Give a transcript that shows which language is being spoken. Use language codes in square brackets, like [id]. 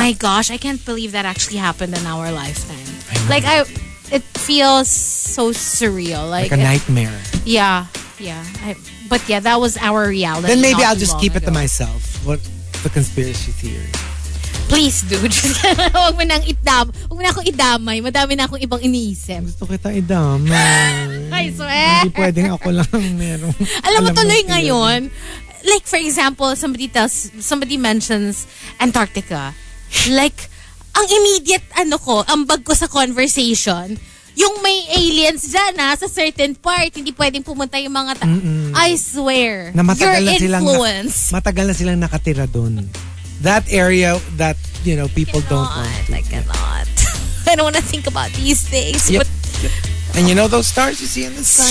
[en] My gosh, I can't believe that actually happened in our lifetime. It feels so surreal. Like a nightmare. Yeah. Yeah. But yeah, that was our reality. Then maybe I'll just keep it to myself. What the conspiracy theory? [tl] Please, dude. Huwag mo nang idam. Huwag mo na akong idamay. Madami na akong ibang iniisip. Gusto kita idamay. [en] I swear. [tl] Hindi pwedeng ako lang meron. Alam mo tuloy ngayon, [en] like for example, somebody mentions Antarctica. [tl] Like, ang immediate ano ko, ang bag ko sa conversation, yung may aliens dyan ha, sa certain part, hindi pwedeng pumunta yung mga [en] I swear, [tl] na [en] your influence. [tl] Matagal na silang nakatira dun. [en] That area that, you know, people don't want to. I cannot. I don't want to think about these things. Yep. But, yep. And you know those stars you see in the sky?